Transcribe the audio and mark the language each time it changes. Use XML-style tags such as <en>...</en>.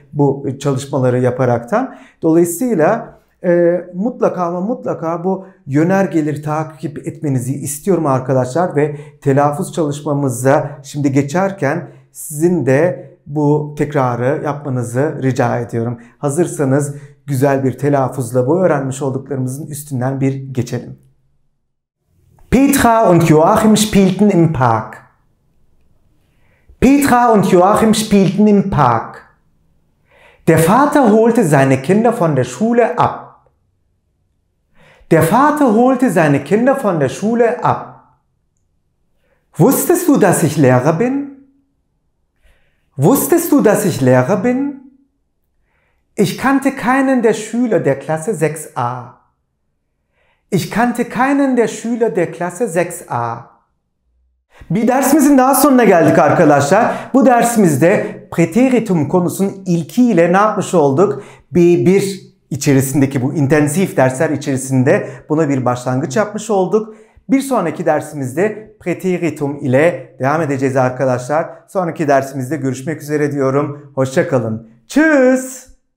<tr>Bu çalışmaları yaparaktan. Dolayısıyla mutlaka ama mutlaka bu yönergeleri takip etmenizi istiyorum arkadaşlar ve telaffuz çalışmamıza şimdi geçerken sizin de bu tekrarı yapmanızı rica ediyorum. Hazırsanız güzel bir telaffuzla bu öğrenmiş olduklarımızın üstünden bir geçelim.</tr> <de>Petra und Joachim spielten im Park. Petra und Joachim spielten im Park. Der Vater holte seine Kinder von der Schule ab. Der Vater holte seine Kinder von der Schule ab. Wusstest du, dass ich Lehrer bin? Wusstest du, dass ich Lehrer bin? Ich kannte keinen der Schüler der Klasse 6a. Ich kannte keinen der Schüler der Klasse 6a.</de> <tr>Bir dersimizin daha sonuna geldik arkadaşlar. Bu dersimizde preteritum konusunun ilkiyle ne yapmış olduk? B1 içerisindeki bu intensif dersler içerisinde buna bir başlangıç yapmış olduk. Bir sonraki dersimizde preteritum ile devam edeceğiz arkadaşlar. Sonraki dersimizde görüşmek üzere diyorum. Hoşça kalın. Tschüss.</tr>